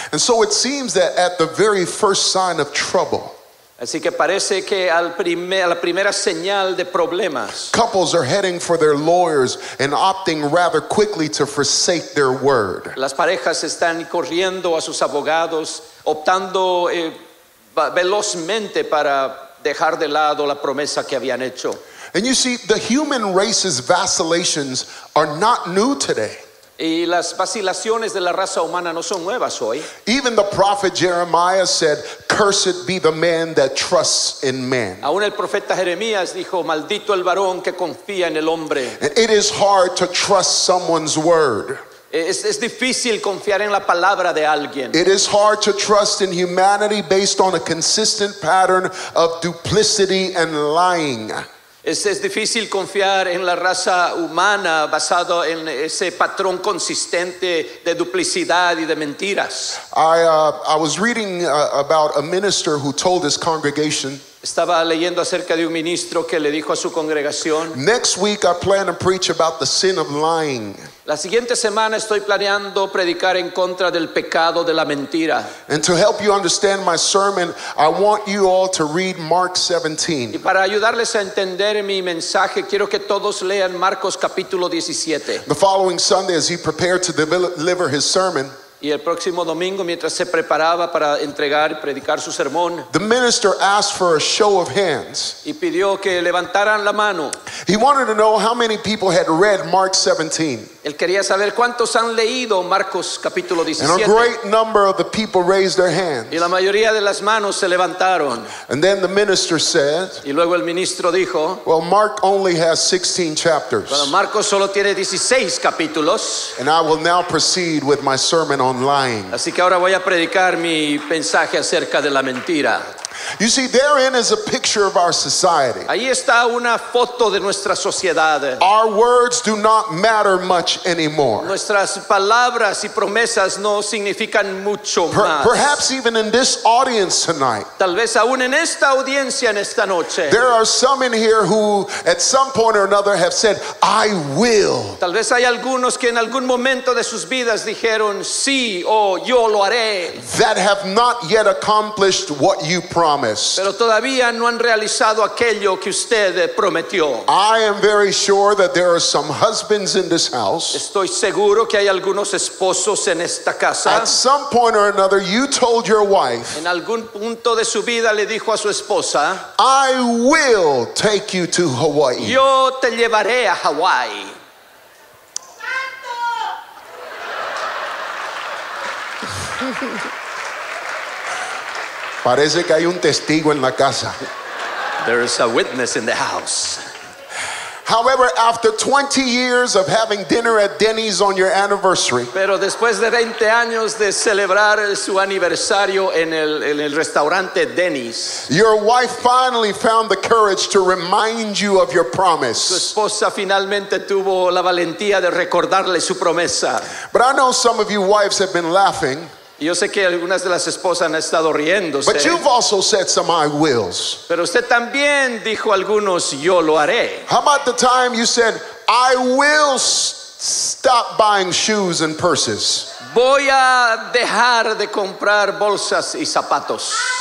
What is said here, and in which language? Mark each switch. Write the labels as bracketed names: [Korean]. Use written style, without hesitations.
[English] And so it seems that at the very first sign of trouble, [Spanish] así que parece que a la primera señal de problemas, [English] couples are heading for their lawyers and opting rather quickly to forsake their word. [Spanish] Las parejas están corriendo a sus abogados, optando velozmente para dejar de lado la promesa que habían hecho. [English] And you see, the human race's vacillations are not new today. [Spanish] Y las vacilaciones de la raza humana no son nuevas hoy. [English] Even the prophet Jeremiah said, cursed be the man that trusts in man. [Spanish] Aún el profeta Jeremías dijo, maldito el varón que confía en el hombre. [English] It is hard to trust someone's word. [Spanish] Es difícil confiar en la palabra de alguien. [English] It is hard to trust in humanity based on a consistent pattern of duplicity and lying. [Spanish] Es difícil confiar en la raza humana basado en ese patrón consistente de duplicidad y de mentiras. [English] I was reading about a minister who told his congregation. [Spanish] Estaba leyendo acerca de un ministro que le dijo a su congregación. [English] Next week I plan to preach about the sin of lying. [Spanish] La siguiente semana estoy planeando predicar en contra del pecado de la mentira. [English] And to help you understand my sermon, I want you all to read Mark 17. [Spanish] Y para ayudarles a entender mi mensaje, quiero que todos lean Marcos capítulo 17. [English] The following Sunday, as he prepared to deliver his sermon, [Spanish] y el próximo domingo, mientras se preparaba para entregar y predicar su sermón, [English] the minister asked for a show of hands. [Spanish] Y pidió que levantaran la mano. [English] He wanted to know how many people had read Mark 17. [Spanish] Él quería saber cuántos han leído Marcos capítulo 17. [English] And a great number of the people raised their hands. [Spanish] Y la mayoría de las manos se levantaron. [English] And then the minister said, [Spanish] y luego el ministro dijo, [English] well, Mark only has 16 chapters. [Spanish] Bueno, Marcos solo tiene 16 capítulos. [English] And I will now proceed with my sermon on lying. [Spanish] Así que ahora voy a predicar mi mensaje acerca de la mentira. [English] You see, therein is a picture of our society. [Spanish] Ahí está una foto de nuestra sociedad. [English] Our words do not matter much anymore. [Spanish] Nuestras palabras y promesas no significan mucho más. [English] Perhaps even in this audience tonight. [Spanish] Tal vez aún en esta audiencia en esta noche. [English] There are some in here who at some point or another have said, I will. [Spanish] Tal vez hay algunos que en algún momento de sus vidas dijeron sí o yo lo haré. [English] That have not yet accomplished what you promised. [Spanish] Pero todavía no han realizado aquello que usted prometió. [English] I am very sure that there are some husbands in this house. [Spanish] Estoy seguro que hay algunos esposos en esta casa. [English] At some point or another, you told your wife. [Spanish] En algún punto de su vida le dijo a su esposa. [English] I will take you to Hawaii. [Spanish] Yo te llevaré a Hawaii. Parece que hay un testigo en la casa. [English] There is a witness in the house. However, after 20 years of having dinner at Denny's on your anniversary, [Spanish] pero después de 20 años de celebrar su aniversario en el restaurante Denny's, [English] your wife finally found the courage to remind you of your promise. [Spanish] Su esposa finalmente tuvo la valentía de recordarle su promesa. [English] But I know some of you wives have been laughing. [Spanish] Yo sé que algunas de las esposas han estado riéndose. [English] But you've also said some I wills. [Spanish] Pero usted también dijo algunos yo lo haré. [English] How about the time you said I will stop buying shoes and purses? [Spanish] Voy a dejar de comprar bolsas y zapatos.